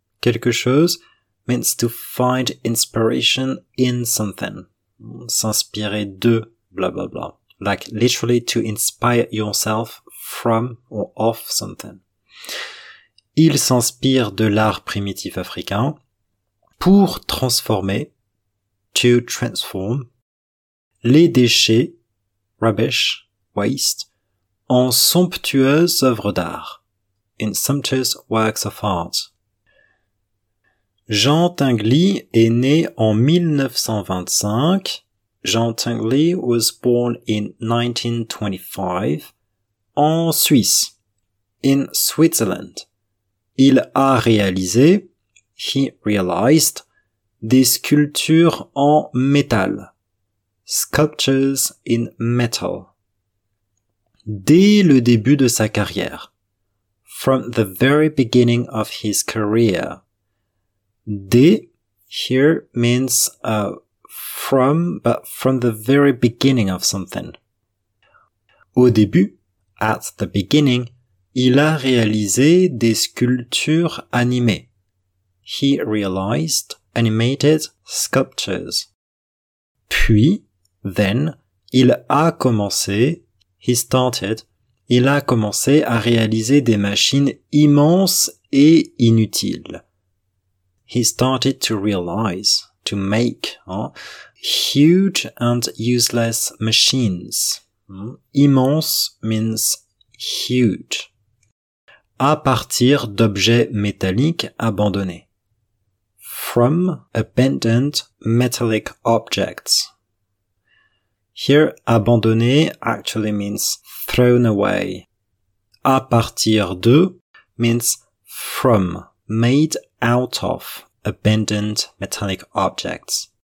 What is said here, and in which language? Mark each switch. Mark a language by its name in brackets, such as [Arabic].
[French] Quelque chose [English] means to find inspiration in something. [French] S'inspirer de, [English] blah, blah, blah. Like literally to inspire yourself from or of something. [French] Il s'inspire de l'art primitif africain pour transformer, [English] to transform, [French] les déchets, [English] rubbish, waste, [French] en somptueuses œuvres d'art, [English] in sumptuous works of art. [French] Jean Tinguely est né en 1925. [English] Jean Tinguely was born in 1925, [French] en Suisse, [English] in Switzerland. [French] Il a réalisé, [English] he realized, [French] des sculptures en métal, [English] sculptures in metal. [French] Dès le début de sa carrière, [English] from the very beginning of his career, dès, here means from, but from the very beginning of something. [French] Au début, [English] at the beginning, [French] il a réalisé des sculptures animées. [English] He realized animated sculptures. [French] Puis, [English] then, [French] il a commencé, [English] he started, [French] il a commencé à réaliser des machines immenses et inutiles. [English] He started to realize, to make, huge and useless machines. Immense means huge. [French] À partir d'objets métalliques abandonnés. [English] From abandoned metallic objects. Here, abandonné actually means thrown away. [French] À partir de [English] means from, made out of abandoned metallic objects.